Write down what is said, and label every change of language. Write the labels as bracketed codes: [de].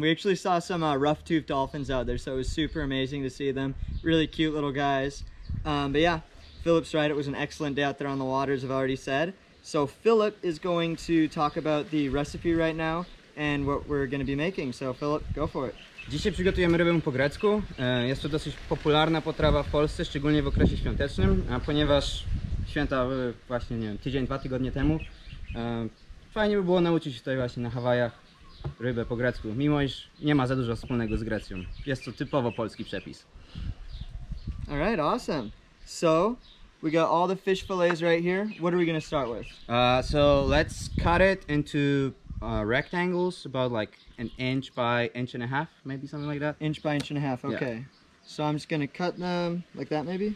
[en] We actually saw some rough-toothed dolphins out there, so it was super amazing to see them. Really cute little guys, but yeah. Philip's right, it was an excellent day out there on the water, as I've already said. So Philip is going to talk about the recipe right now and what we're going to be making. So Philip, go for it. [pl] Dzisiaj przygotujemy rybę po grecku. Jest to dosyć popularna potrawa w Polsce, szczególnie w okresie świątecznym. A ponieważ święta były właśnie, nie wiem, tydzień, dwa tygodnie temu, fajnie by było nauczyć się tutaj właśnie na Hawajach rybę po grecku, mimo iż nie ma za dużo wspólnego z Grecją. Jest to typowo polski przepis. [en] All right, awesome. So, we got all the fish fillets right here. What are we gonna start with? So let's cut it into rectangles, about like an inch by inch and a half, maybe something like that. Inch by inch and a half, okay. Yeah. So I'm just gonna cut them like that maybe?